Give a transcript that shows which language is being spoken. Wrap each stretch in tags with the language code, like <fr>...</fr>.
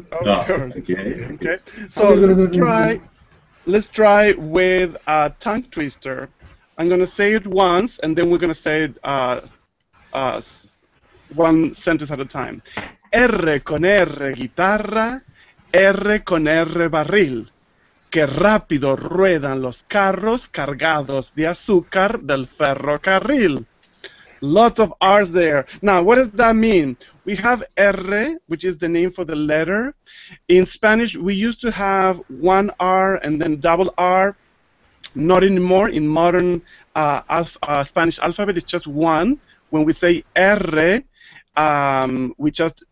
<en>Right. Okay. So let's try with a tongue twister. I'm gonna say it once, and then we're gonna say it one sentence at a time.</en> <es>R con R guitarra, R con R barril. Que rápido ruedan los carros cargados de azúcar del ferrocarril.</es> <en>Lots of R's there. Now, what does that mean? We have R, which is the name for the letter. In Spanish, we used to have one R and then double R. Not anymore. In modern Spanish alphabet, it's just one. When we say R, we just</en>